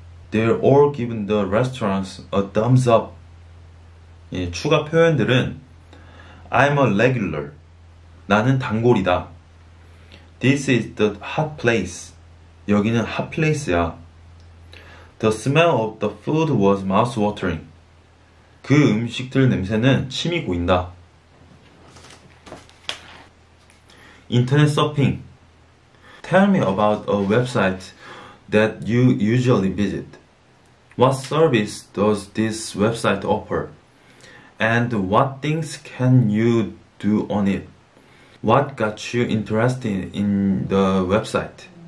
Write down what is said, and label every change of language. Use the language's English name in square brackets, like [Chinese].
[English] They're all giving the restaurants a thumbs up. [Korean] 예, 추가 표현들은 [English] I'm a regular. [Korean] 나는 단골이다. [English] This is the hot place. [Korean] 여기는 hot place야. [English] The smell of the food was mouth-watering. [Korean] 그 음식들 냄새는 침이 고인다. 인터넷 서핑. [English] Tell me about a website that you usually visit. What service does this website offer? And what things can you do on it? What got you interested in the website?